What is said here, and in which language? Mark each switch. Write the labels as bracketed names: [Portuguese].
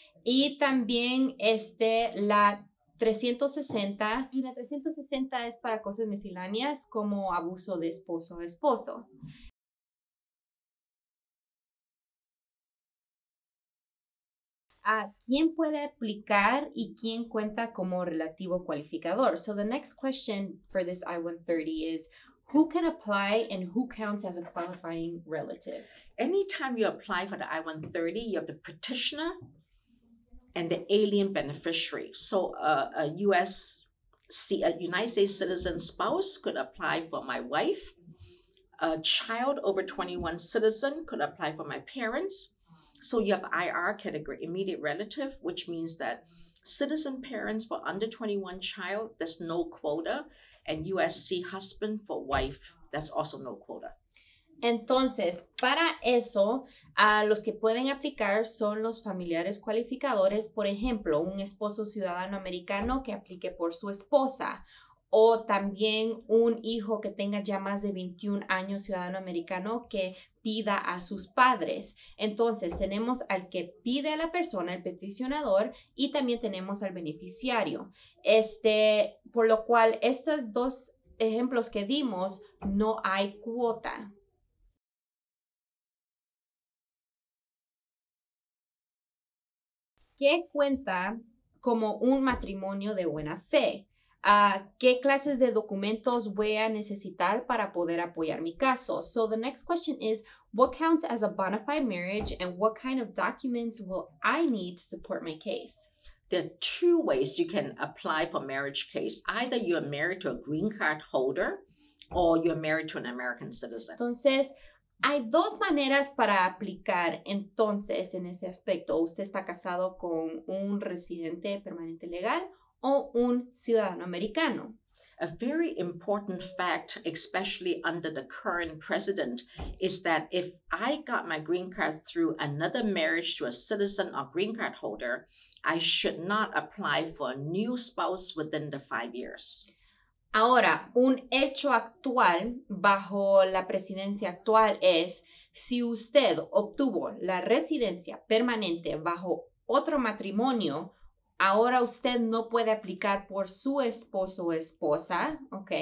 [Spanish] Y también la 360, y la 360 es para cosas misceláneas como abuso de esposo o esposo. ¿A quién puede aplicar y quién cuenta como relativo cualificador? [English] So the next question for this I-130 is, who can apply and who counts as a qualifying relative? Anytime you apply for the I-130, you have the petitioner and the alien beneficiary. So a United States citizen spouse could apply for my wife. A child over 21 citizen could apply for my parents. So you have IR category, immediate relative, which means that citizen parents for under 21 child, there's no quota. And USC husband for wife, that's also no quota. [Spanish] Entonces, para eso, los que pueden aplicar son los familiares cualificadores. Por ejemplo, un esposo ciudadano americano que aplique por su esposa. O también un hijo que tenga ya más de 21 años ciudadano americano que pida a sus padres. Entonces, tenemos al que pide a la persona, el peticionador, y también tenemos al beneficiario. Por lo cual, estos dos ejemplos que dimos, no hay cuota. ¿Qué cuenta como un matrimonio de buena fe? ¿Qué clases de documentos voy a necesitar para poder apoyar mi caso? [English] So the next question is, what counts as a bona fide marriage and what kind of documents will I need to support my case? There are two ways you can apply for marriage case. Either you are married to a green card holder or you are married to an American citizen. [Spanish] Entonces, hay dos maneras para aplicar entonces en ese aspecto. ¿Usted está casado con un residente permanente legal o un ciudadano americano? [English] A very important fact, especially under the current president, is that if I got my green card through another marriage to a citizen or green card holder, I should not apply for a new spouse within the 5 years. [Spanish] Ahora, un hecho actual bajo la presidencia actual es si usted obtuvo la residencia permanente bajo otro matrimonio, ahora usted no puede aplicar por su esposo o esposa, ¿ok?